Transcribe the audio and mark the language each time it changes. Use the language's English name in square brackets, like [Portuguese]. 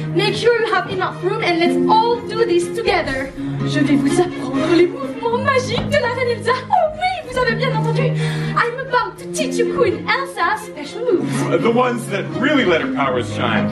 [English] Make sure you have enough room and let's all do this together. [French] Je vais vous apprendre les mouvements magiques de la reine Elsa. Oh oui, vous avez bien entendu. [English] I'm about to teach you Queen Elsa special moves. The ones that really let her powers shine.